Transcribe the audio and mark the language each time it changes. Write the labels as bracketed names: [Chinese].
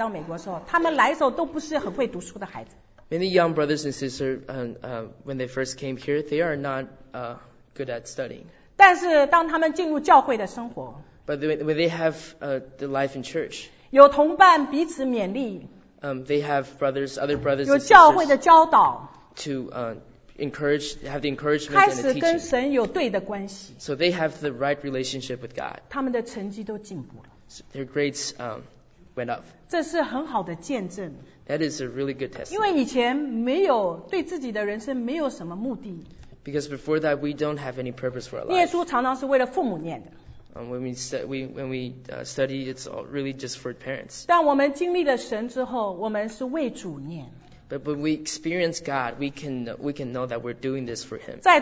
[Chinese] 年轻的弟兄姊妹从国外来到美国的时候，他们来的时候都不是很会读书的孩子。 [English] Many young brothers and sisters, when they first came here, they are not good at studying. [Chinese] 但是当他们进入教会的生活， [English] But when they have the life in church, [Chinese] 有同伴彼此勉励， [English] They have brothers, other brothers and sisters, [Chinese] 有教会的教导， [English] To have the encouragement and the teaching. [Chinese] 开始跟神有对的关系。 [English] So they have the right relationship with God. [Chinese] 他们的成绩都进步了。 [English] So their grades went up. [Chinese] 这是很好的见证。 [English] That is a really good testimony. [Chinese] 因为以前没有对自己的人生没有什么目的。 [English] Because before that, we don't have any purpose for our life. [Chinese] 念书常常是为了父母念的。 [English] When we study, it's all really just for parents. [Chinese] 但我们经历了神之后，我们是为主念。 [English] But when we experience God, we can know that we're doing this for Him.